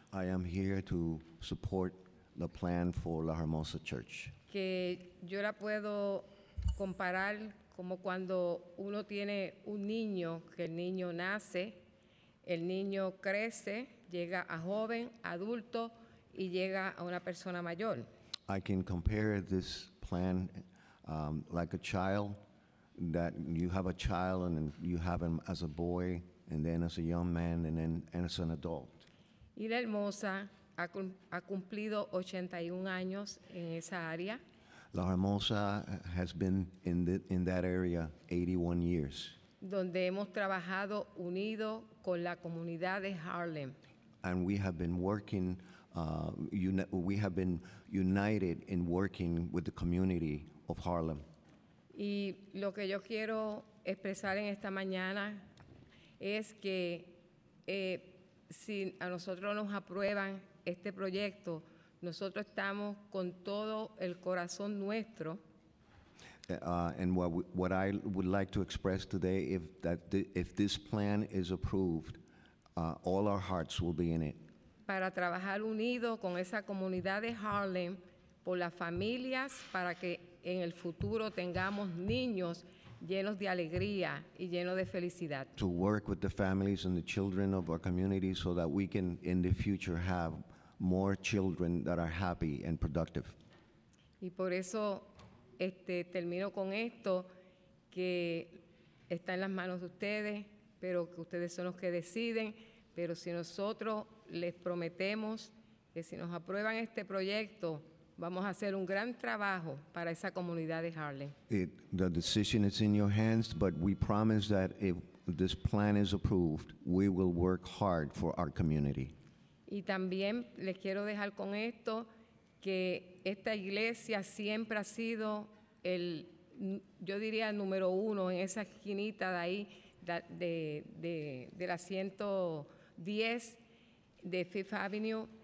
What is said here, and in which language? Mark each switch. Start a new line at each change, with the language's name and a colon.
English: I am here to support the plan for La Hermosa Church.
Spanish: Que yo la puedo comparar como cuando uno tiene un niño, que el niño nace, el niño crece, llega a joven, adulto, y llega a una persona mayor.
English: I can compare this plan like a child, that you have a child and you have him as a boy, and then as a young man, and then and as an adult.
Spanish: Y La Hermosa ha cumplido 81 años en esa área.
English: La Hermosa has been in that area 81 years.
Spanish: Donde hemos trabajado unido con la comunidad de Harlem.
English: And we have been working, we have been united in working with the community of Harlem.
Spanish: Y lo que yo quiero expresar en esta mañana es que si a nosotros nos aprueban este proyecto, nosotros estamos con todo el corazón nuestro.
English: And what I would like to express today, if this plan is approved, all our hearts will be in it.
Spanish: Para trabajar unido con esa comunidad de Harlem, por las familias, para que en el futuro tengamos niños llenos de alegría y llenos de felicidad.
English: To work with the families and the children of our community so that we can, in the future, have more children that are happy and productive.
Spanish: Y por eso termino con esto, que está en las manos de ustedes, pero que ustedes son los que deciden. Pero si nosotros les prometemos que si nos aprueban este proyecto, vamos a hacer un gran trabajo para esa comunidad de Harlem.
English: The decision is in your hands, but we promise that if this plan is approved, we will work hard for our community.
Spanish: Y también les quiero dejar con esto que esta iglesia siempre ha sido el, yo diría, el número uno en esa esquinita de ahí, de la 110 de Fifth Avenue.